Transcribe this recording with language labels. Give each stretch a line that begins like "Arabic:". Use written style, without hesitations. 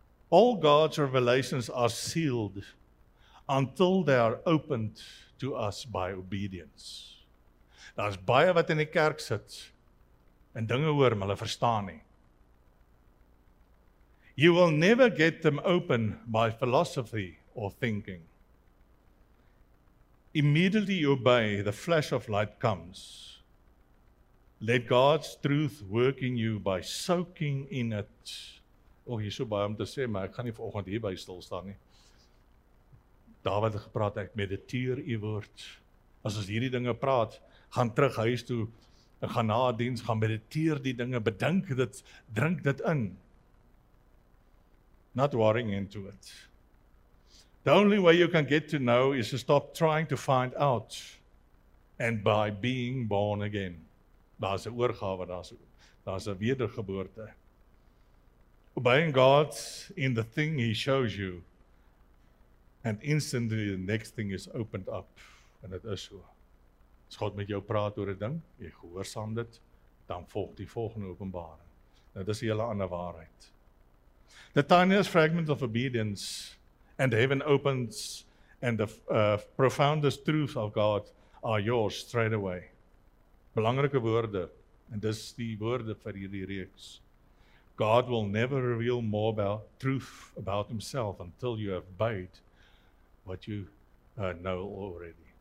English: All God's revelations are sealed until they are opened to us by obedience.
Afrikaans: Daar is baie wat in die kerk sit en dinge hoor, maar hulle verstaan nie.
English: You will never get them open by philosophy or thinking. Immediately you obey, the flash of light comes. Let God's truth work in you by soaking in it.
Afrikaans: Oh, hier is so baie om te sê, maar ek gaan nie vanoggend hierby stilstaan nie. David het gepraat, ek mediteer u woord. As ons hierdie dinge praat, gaan terug huis toe, gaan na diens, gaan mediteer die dinge, bedink dit, drink dit in.
English: Not worrying into it. The only way you can get to know is to stop trying to find out and by being born again.
Afrikaans: Daar is 'n oorgawe, daar is 'n wedergeboorte.
English: Obeying God in the thing he shows you, and instantly the next thing is opened up, and it is so.
Afrikaans: As God met jou praat oor 'n ding, jy gehoorsaam dit, dan volg die volgende openbaring. Nou, dis 'n hele ander waarheid.
English: The tiniest fragment of obedience, and heaven opens, and the profoundest truths of God are yours straight away.
Afrikaans: Belangrike woorde, en dis die woorde vir hierdie reeks.
English: God will never reveal more about truth about himself until you have obeyed what you know already.